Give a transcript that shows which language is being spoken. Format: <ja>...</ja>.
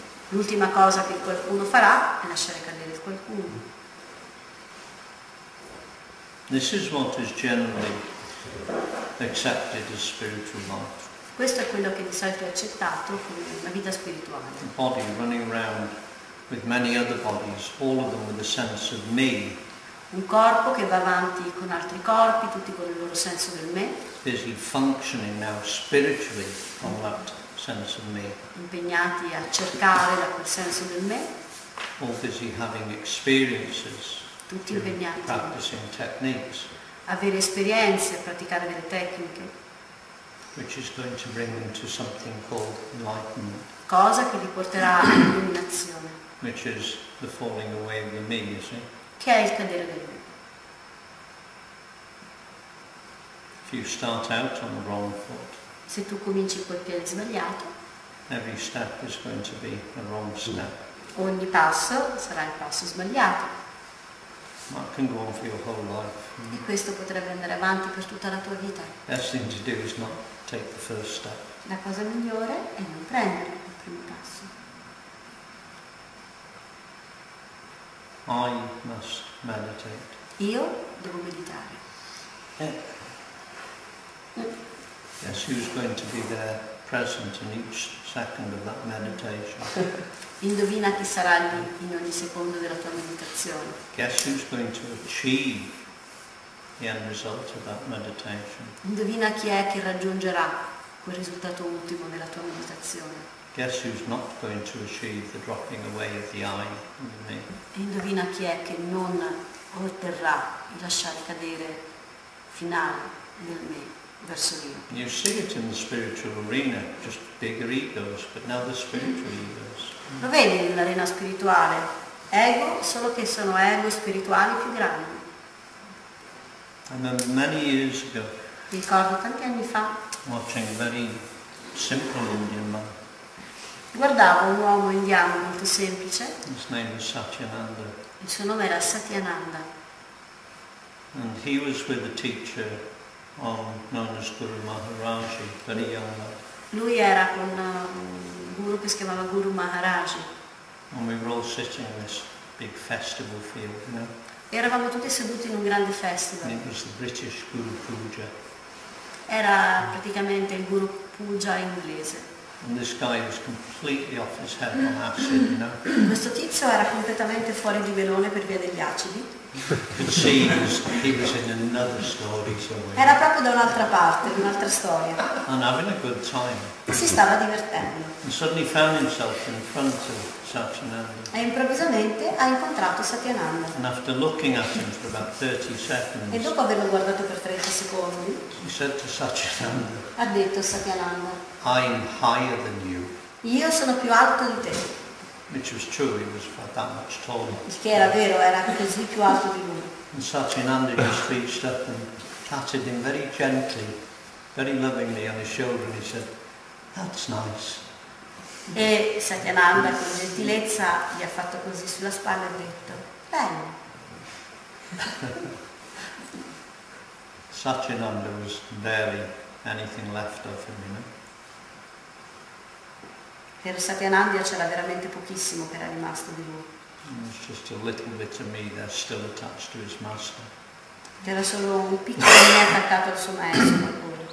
<it>L'ultima cosa che qualcuno farà è lasciare cadere il qualcuno.</it> <en>This is what is generally accepted as spiritual life.</en> <it>Questo è quello che di solito è accettato come la vita spirituale.</it> <en>The body running around with many other bodies, all of them with a sense of me.</en> <it>Un corpo che va avanti con altri corpi, tutti con il loro senso del me.</it> <en>Busy functioning now spiritually on that sense of me.</en> <it>Impegnati a cercare da quel senso del me.</it> <en>All busy having experiences.</en> <it>Tutti impegnati.</it> <en>Practicing techniques.</en> <it>Avere esperienze, praticare delle tecniche.</it> <en>Which is going to bring them to something called enlightenment.</en> <it>Cosa che li porterà all'illuminazione.</it> <en>Which is the falling away of the me, you see.</en> <it>Che è il cadere del me.</it> <en>If you start out on the wrong foot,</en> <it>se tu cominci col piede sbagliato,</it> <en>every step is going to be a wrong step.</en> <it>Ogni passo sarà il passo sbagliato.</it> <en>That can go on for your whole life.</en> <it>E questo potrebbe andare avanti per tutta la tua vita.</it> <en>Best thing to do is not take the first step.</en> <it>La cosa migliore è non prendere il primo passo.</it> <en>I must meditate.</en> <it>Io devo meditare.</it> <en>Yes, who's going to be there present in each second of that meditation?</en> <it>Indovina chi sarà lì in ogni secondo della tua meditazione.</it> <en>Guess who's going to achieve the end result of that meditation?</en> <it>Indovina chi è che raggiungerà quel risultato ultimo della tua meditazione.</it> <en>Guess who's not going to achieve the dropping away of the I and the me?</en> <it>Indovina chi è che non otterrà il lasciare cadere finale del me.</it> <en>You see it in the spiritual arena, just bigger egos, but now the spiritual egos.</en> <it>Lo vedi nell'arena spirituale, ego, solo che sono ego spirituali più grandi.</it> <en>I remember many years ago.</en> <it>Ricordo tanti anni fa.</it> <en>Watching a very simple Indian man.</en> <it>Guardavo un uomo indiano molto semplice.</it> <en>His name was Satyananda.</en> <it>Il suo nome era Satyananda.</it> <en>And he was with a teacher. Known as Guru Maharaj, very young man.</en> <it>Lui era con un guru che si chiamava Guru Maharaj.</it> <en>And we were all sitting in this big festival field, you know.</en> <it>Eravamo tutti seduti in un grande festival.</it> <en>And it was the British Guru Puja.</en> <it>Era praticamente il Guru Puja inglese.</it> <en>And this guy was completely off his head on acid, you know.</en> <it>Questo tizio era completamente fuori di velone per via degli acidi.</it> <en>He was in another story somewhere.</en> <it>Era proprio da un'altra parte, un'altra storia.</it> <en>And having a good time.</en> <it>Si stava divertendo.</it> <en>And suddenly found himself in front of Satyananda.</en> <it>E improvvisamente ha incontrato Satyananda.</it> <en>And after looking at him for about 30 seconds.</en> <it>E dopo averlo guardato per 30 secondi.</it> <en>He said to Satyananda.</en> <it>Ha detto Satyananda.</it> <en>I am higher than you.</en> <it>Io sono più alto di te.</it> <en>Which was true, he was about that much taller.</en> <it>Che era vero, era così più alto di lui.</it> <en>And Satyananda just reached up and patted him very gently, very lovingly on his shoulder and he said, that's nice.</en> <it>E Satyananda con gentilezza gli ha fatto così sulla spalla e ha detto, bene.</it> <en>Satyananda was barely anything left of him, you know.</en> <it>Per Satyananda c'era veramente pochissimo che era rimasto di lui.</it> <en>It's just a little bit of me that's still attached to his master.</en> <it>C'era solo un piccolo me attaccato al suo maestro.</it>